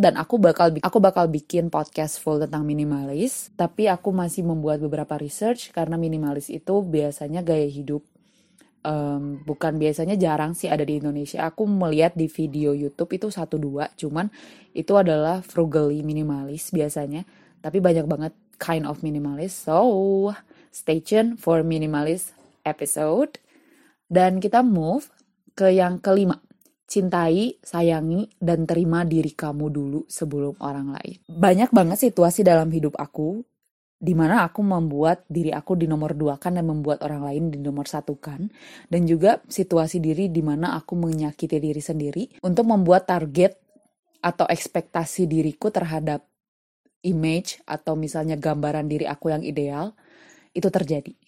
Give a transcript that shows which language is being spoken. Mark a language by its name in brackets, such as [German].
[Indonesian] Dan aku bakal bikin podcast full tentang minimalis. Tapi aku masih membuat beberapa research. Karena minimalis itu biasanya gaya hidup. Bukan biasanya, jarang sih ada di Indonesia. Aku melihat di video YouTube itu 1-2. Cuman itu adalah frugally minimalis biasanya. Tapi banyak banget kind of minimalis. [English] So, stay tuned for minimalis episode. [Indonesian] Dan kita move ke yang kelima. Cintai, sayangi, dan terima diri kamu dulu sebelum orang lain. Banyak banget situasi dalam hidup aku di mana aku membuat diri aku di nomor 2 kan dan membuat orang lain di nomor 1 kan. Dan juga situasi diri di mana aku menyakiti diri sendiri untuk membuat target atau ekspektasi diriku terhadap image atau misalnya gambaran diri aku yang ideal itu terjadi.